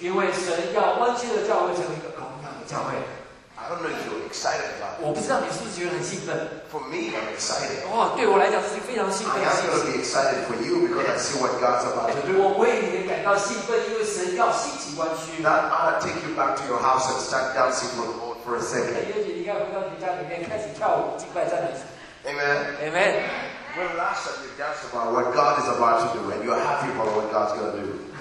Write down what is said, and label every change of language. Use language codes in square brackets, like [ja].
[zh] 因为神要弯曲的教会成为一个荣耀的教会。 [en] I don't know if you're excited about it. [zh] 我不知道你是不是觉得很兴奋。 [en] For me, I'm excited. [zh] 对我来讲是非常兴奋。 [en] I am going to be excited for you because I see what God's about to do. [zh] 我为你感到兴奋，因为神要兴起弯曲。 [en] Now, I'm going to take you back to your house and start dancing for the Lord for a second. [zh] 也许你应该回到你家里面开始跳舞敬拜赞美神。 [en] Amen. Amen. When last time you danced about what God is about to do and you're happy about what God's going to do.